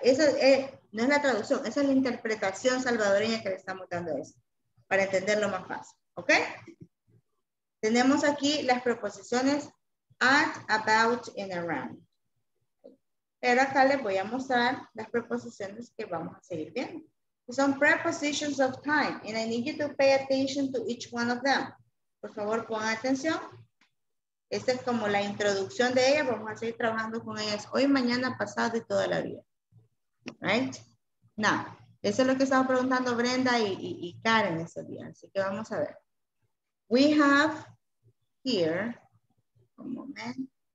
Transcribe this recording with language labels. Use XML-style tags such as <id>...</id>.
<es>Esa no es la traducción, esa es la interpretación salvadoreña que le estamos dando a eso, para entenderlo más fácil. ¿Ok? Tenemos aquí las preposiciones</es> <en>at, about, and around.</en> <es>Pero acá les voy a mostrar las preposiciones que vamos a seguir viendo.</es> <en>Son prepositions of time, and I need you to pay attention to each one of them.</en> <es>Por favor, pongan atención. Esta es como la introducción de ella. Vamos a seguir trabajando con ellas hoy, mañana, pasado y toda la vida.</es> <en>Right? Now,</en> <es>eso es lo que estaba preguntando Brenda y Karen ese día. Así que vamos a ver.</es> <en>We have here,</en> <es>un momento.</es>